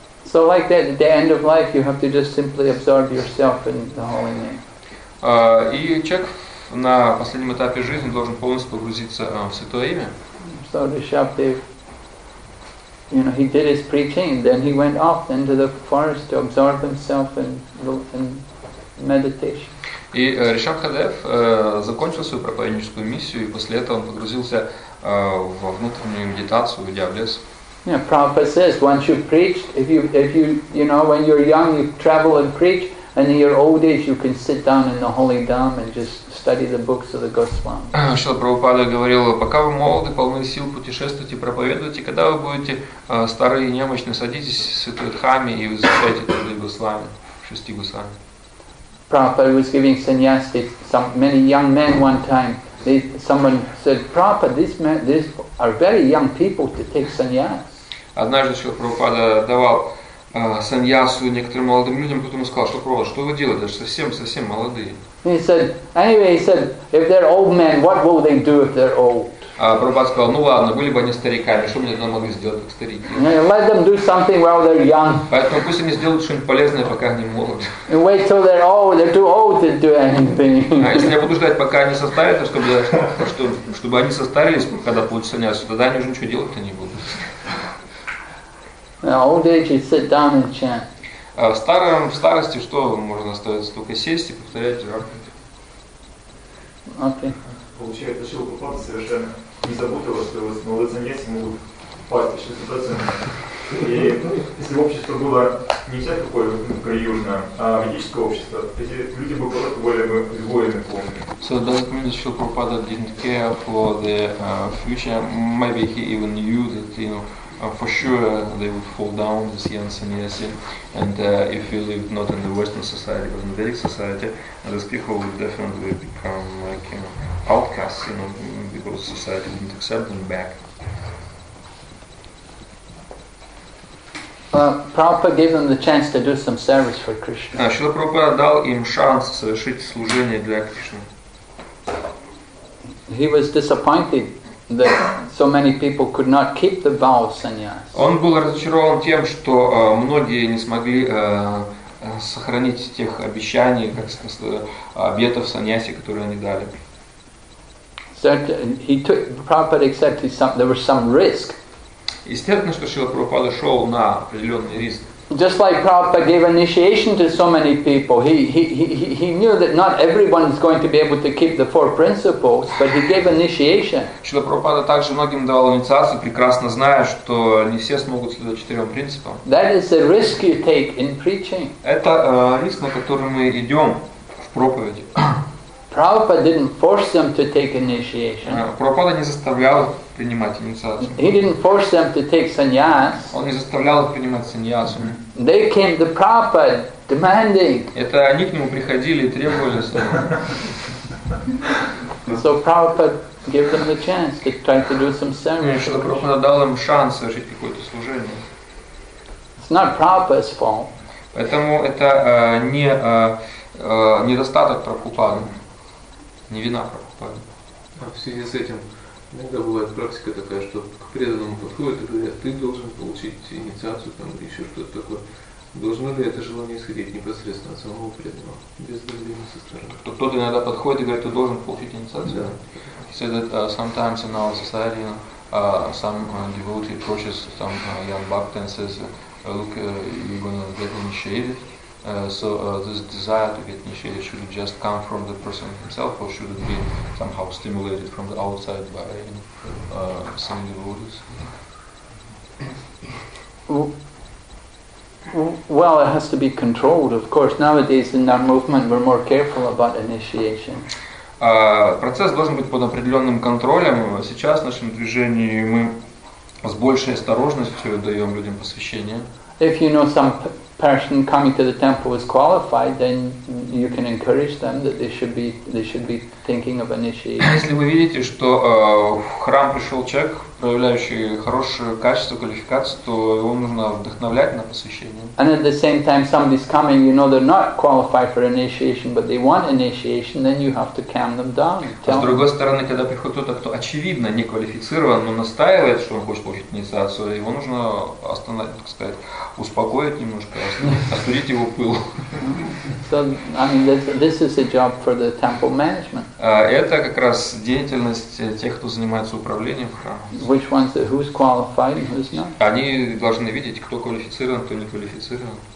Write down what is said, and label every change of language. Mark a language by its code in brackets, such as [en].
[en] So like that, at the end of life, you have to just simply absorb yourself in the holy name. [ru] И человек на последнем этапе жизни должен полностью погрузиться в святое имя. [en] So Rishabdev, you know, he did his preaching, then he went off into the forest to absorb himself in meditation. [ru] И Ришабхадев закончил свою проповедническую миссию, и после этого он погрузился во внутреннюю медитацию, уйдя в лес. [en] Yeah, Prabhupada says, once you've preached, if you know, when you're young, you travel and preach, and in your old age, you can sit down in the holy dhamma and just study the books of the Госвами. [ru] Шрила Прабхупада говорил, пока вы молоды, полны сил, путешествуйте, проповедуйте, когда вы будете старые и немощны, садитесь в святой дхамме и изучайте туда Госвами, шести Госвами. [en] Prabhupada was giving sannyas to some many young men one time. Someone said, Prabhupada, these are very young people to take sannyas. [ru] Однажды Шрила Прабхупада давал саньясу некоторым молодым людям, потом он сказал, что Прабхупада, что вы делаете, даже совсем молодые. [en] He said, anyway, he said, if they're old men, what will they do if they're old? [ru] Прабхупада сказал, ну ладно, были бы они стариками, что мне тогда могли сделать как старики? [en] Let them do something while they're young. [ru] Поэтому пусть они сделают что-нибудь полезное, пока они молоды. [en] And wait till they're old, they're too old to do anything. [ru] А если я буду ждать, пока они состарятся, чтобы они состарились, когда получат саньясу, тогда они уже ничего делать-то не будут. [en] In old age, you sit down and chant. [ru] В старости что можно оставить? Только сесть и повторять джапу. [en] Okay. [ru] Получается, Шрила Прабхупада совершенно не заботился, что его молодые саньяси могут пасть еще 100%. И если бы общество было не вся какое-то приюжное, а ведическое общество, эти люди бы просто были бы воины полные. [en] So does it mean that Шрила Прабхупада didn't care for the future? Maybe he even knew that, you know, for sure, they would fall down, this young sannyasi. And if you lived not in the Western society, but in the Vedic society, these people would definitely become like, you know, outcasts, you know, because society wouldn't accept them back. Prabhupada gave them the chance to do some service for Krishna. [ru] Шрила Прабхупада дал им шанс совершить служение для Кришны. [en] He was disappointed that so many people could not keep the vow of sannyas. [ru] Он был разочарован тем, что многие не смогли сохранить тех обещаний, как сказать, обетов саньяси, которые они дали. [en] Prabhupada accepted some. There was some risk. [ru] Естественно, что Шрила Прабхупада шел на определенный риск. [en] Just like Prabhupada gave initiation to so many people, he knew that not everyone is going to be able to keep the four principles, but he gave initiation. [ru] Шрила Прабхупада также многим давал инициацию, прекрасно зная, что не все смогут следовать четырем принципам. [en] That is the risk you take in preaching. [ru] Это риск, на который мы идем в проповеди. [en] Prabhupada didn't force them to take initiation. [ru] Прабхупада не заставлял принимать инициацию. [en] He didn't force them to take sannyas. [ru] Он не заставлял их принимать саньясу. [en] They came to Prabhupada demanding. [ru] Это они к нему приходили и требовали. [en] So Prabhupada gave them the chance to try to do some service. [ru] Шрила Прабхупада дал им шанс совершить какое-то служение. [en] It's not Prabhupada's fault. [ru] Поэтому это недостаток Прабхупады. Не вина Прабхупады. А в связи с этим иногда бывает практика такая, что к преданному подходят и говорят, ты должен получить инициацию там или еще что-то такое. Должно ли это желание исходить непосредственно от самого преданного, без давления со стороны? Кто-то иногда подходит и говорит, ты должен получить инициацию. Да. [en] He said that sometimes in our society some devotee approaches some young bhakta and says, look, you're gonna get initiated. This desire to get initiated, should it just come from the person himself, or should it be somehow stimulated from the outside by some devotees? Well, it has to be controlled, of course. Nowadays in our movement we're more careful about initiation. [ru] Процесс должен быть под определенным контролем. Сейчас в нашем движении мы с большей осторожностью даем людям посвящение. [en] If you know some person coming to the temple is qualified, then you can encourage them that they should be thinking of initiation. [ru] Если вы видите, что в храм пришел человек, проявляющий хорошее качество, квалификацию, то его нужно вдохновлять на посвящение. [en] And at the same time, somebody's coming, you know they're not qualified for initiation, but they want initiation, then you have to calm them down. [ru] А с другой стороны, когда приходит кто-то, кто очевидно не квалифицирован, но настаивает, что он хочет получить инициацию, его нужно остановить, так сказать, успокоить немножко, остудить его пыл. [en] So, I mean, this is a job for the temple management. [ru] Это как раз деятельность тех, кто занимается управлением храмом. [en] Which ones are, who's qualified and who's not? [ru] Они должны видеть, кто квалифицирован, кто не квалифицирован.